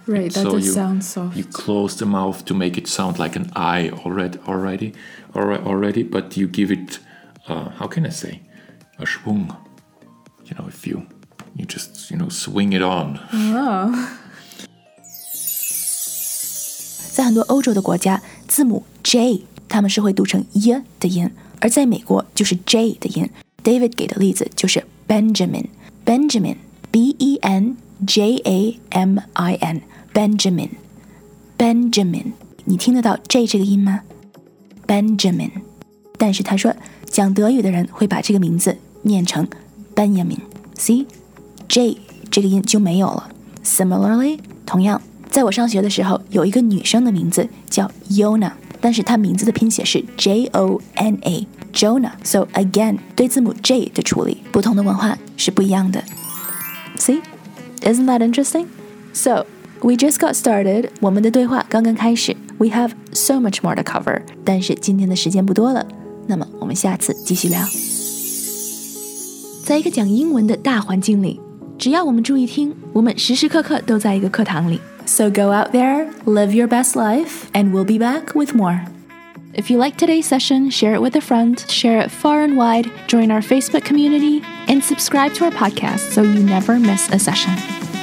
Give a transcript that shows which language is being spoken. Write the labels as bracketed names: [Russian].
[English] Right, that does sound soft. You close the mouth to make it sound like an I already, but you give it, how can I say, a schwung. You know, if you just, you know, swing it on. Oh. [Chinese] 在很多欧洲的国家，字母 J 他们是会读成 y 的音，而在美国就是 J 的音。 David 给的例子就是 Benjamin, B-E-N-J-A-M-I-N, Benjamin, Benjamin. 你听得到 J 这个音吗？Benjamin. 但是他说，讲德语的人会把这个名字念成Benjamin, [English] see? [Chinese] J 这个音就没有了。 [English] Similarly, [Chinese] 同样，在我上学的时候，有一个女生的名字叫 Yona, 但是她名字的拼写是 J-O-N-A, Jonah. [English] So again, [Chinese] 对字母 J 的处理，不同的文化是不一样的。 [English] See? Isn't that interesting? So, we just got started. [Chinese] 我们的对话刚刚开始。 [English] We have so much more to cover. [Chinese] 但是今天的时间不多了。那么我们下次继续聊。在一个讲英文的大环境里，只要我们注意听，我们时时刻刻都在一个课堂里。 [English] So go out there, live your best life, and we'll be back with more. If you like today's session, share it with a friend, share it far and wide, join our Facebook community, and subscribe to our podcast so you never miss a session.